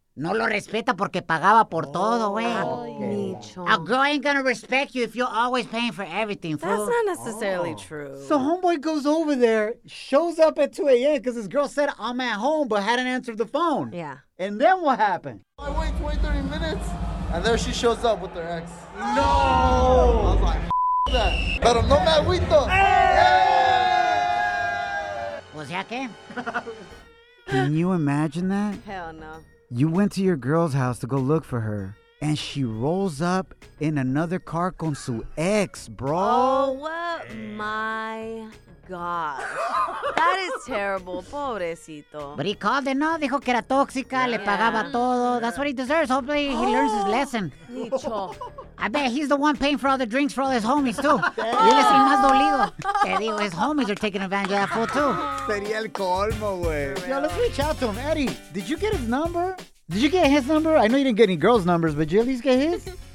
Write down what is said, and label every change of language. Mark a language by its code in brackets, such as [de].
[es] No lo respeta porque pagaba por todo, güey. [en] A girl ain't gonna respect you if you're always paying for everything, fool. That's not necessarily true. So homeboy goes over there, shows up at 2 a.m. because his girl said, I'm at home, but hadn't answered the phone. Yeah. And then what happened? I wait 20, 30 minutes. And there she shows up with her ex. No! I was like, that. [es] Pero no me [en] Was that game? Can you imagine that? Hell no. You went to your girl's house to go look for her, and she rolls up in another car [es] con su ex, [en] bro. Oh, my God. That is terrible. [es] Pobrecito. [en] But he called it, no? [es] Dijo que era tóxica, yeah. Le pagaba todo. [en] Yeah. That's what he deserves. Hopefully he learns his lesson. Nicho. I bet he's the one paying for all the drinks for all his homies, too. [es] Y él es el más dolido. Te digo, [en] his homies are taking advantage of that fool, too. [es] Sería el colmo, güey. [en] Yo, let's reach out to him. Eddie, did you get his number? Did you get his number? I know you didn't get any girls' numbers, but did you at least get his?